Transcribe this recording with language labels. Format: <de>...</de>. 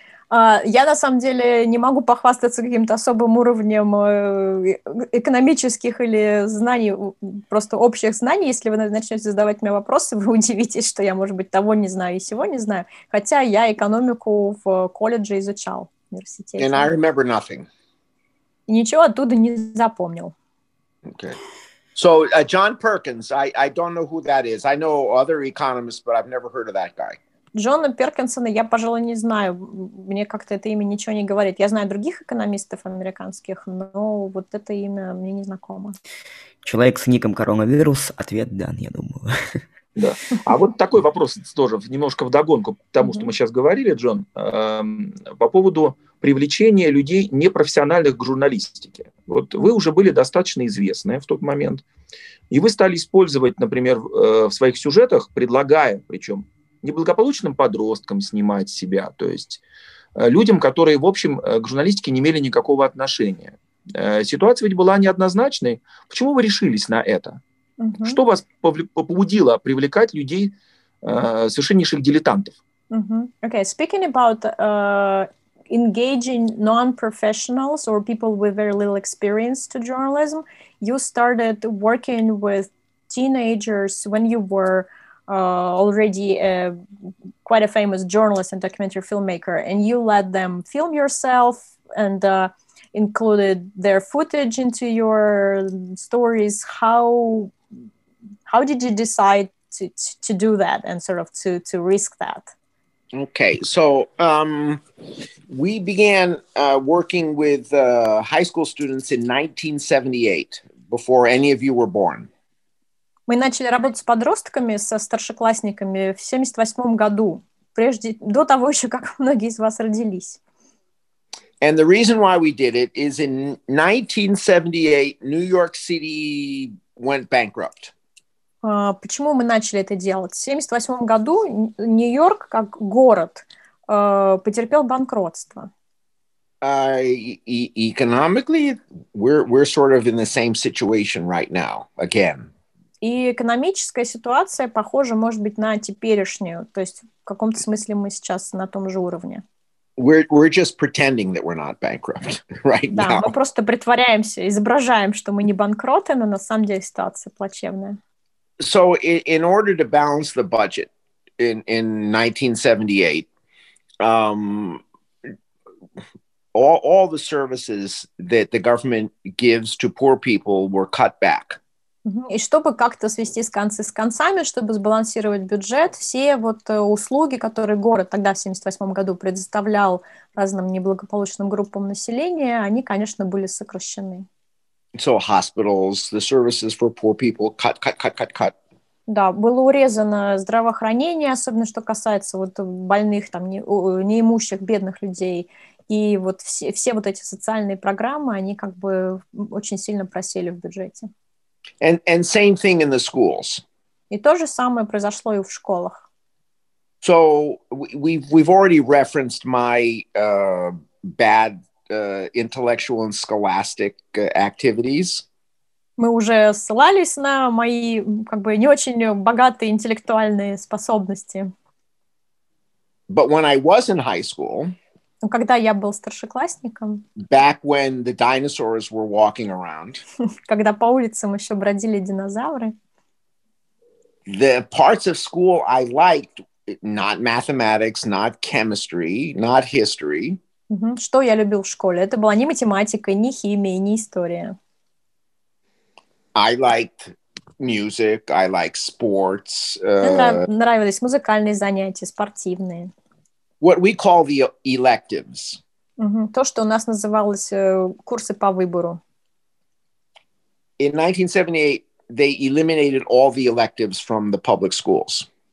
<ru>Я на самом деле не могу похвастаться каким-то особым уровнем экономических или знаний, просто общих знаний. Если вы начнете задавать мне вопросы, вы удивитесь, что я, может быть, того не знаю и сего не знаю. Хотя я экономику в колледже изучал, в университете.</ru> <en>And I remember nothing.</en> <ru>Ничего оттуда не запомнил.</ru> <en>Okay. So, John Perkins, I don't know who that is. I know other economists, but I've never heard of that guy.</en> <ru>Джона Перкинсона я, пожалуй, не знаю. Мне как-то это имя ничего не говорит. Я знаю других экономистов американских, но вот это имя мне не знакомо. Человек с ником коронавирус. Ответ дан, я думаю. Да. А вот такой вопрос тоже немножко вдогонку к тому, что мы сейчас говорили, Джон, по поводу привлечения людей непрофессиональных к журналистике. Вот вы уже были достаточно известны в тот момент, и вы стали использовать, например, в своих сюжетах, предлагая, причем, неблагополучным подросткам снимать себя, то есть людям, которые, в общем, к журналистике не имели никакого отношения. Ситуация ведь была неоднозначной. Почему вы решились на это? Угу. Что вас побудило привлекать людей, совершеннейших дилетантов? Угу.</ru> <en>Okay, speaking about engaging non-professionals or people with very little experience to journalism, you started working with teenagers when you were already quite a famous journalist and documentary filmmaker, and you let them film yourself and included their footage into your stories. How did you decide to do that and sort of to risk that? Okay, so we began working with high school students in 1978, before any of you were born.</en> <ru>Мы начали работать с подростками, со старшеклассниками в 78-м году, прежде, до того еще, как многие из вас родились.</ru> <en>And the reason why we did it is in 1978, New York City went bankrupt.</en> <ru>Почему мы начали это делать? В 78-м году Нью-Йорк, как город, потерпел банкротство.</ru> <en>Economically, we're sort of in the same situation right now, again.</en> <ru>И экономическая ситуация похожа, может быть, на теперешнюю. То есть в каком-то смысле мы сейчас на том же уровне.</ru> <en>We're just pretending that we're not bankrupt right</en> <ru>да,</ru> <en>now.</en> <ru>Да, мы просто притворяемся, изображаем, что мы не банкроты, но на самом деле ситуация плачевная.</ru> <en>So in order to balance the budget in 1978, all the services that the government gives to poor people were cut back.</en> <ru>И чтобы как-то свести с концы с концами, чтобы сбалансировать бюджет, все вот услуги, которые город тогда в 78-м году предоставлял разным неблагополучным группам населения, они, конечно, были сокращены. So hospitals, the services for poor people, cut. Да, было урезано здравоохранение, особенно что касается вот больных, там, неимущих, бедных людей. И вот все вот эти социальные программы, они как бы очень сильно просели в бюджете.</ru> <en>And same thing in the schools.</en> <ru>И то же самое произошло и в школах.</ru> <en>So we've already referenced my bad intellectual and scholastic activities.</en> <ru>Мы уже ссылались на мои как бы не очень богатые интеллектуальные способности.</ru> <en>But when I was in high school,</en> <ru>когда я был старшеклассником,</ru> <en>back when the dinosaurs were walking around,</en> <ru>когда по улицам еще бродили динозавры,</ru> <en>the parts of school I liked, not mathematics, not chemistry, not history.</en> <ru>Что я любил в школе? Это была не математика, не химия, не история.</ru> <en>I liked music, I liked sports.</en> <ru>Нравились музыкальные занятия, спортивные.</ru> <en>What we call the electives.</en> <ru>То, что у нас называлось курсы по выбору.</ru> <en>In 1978, they eliminated all the electives from the public schools.</en>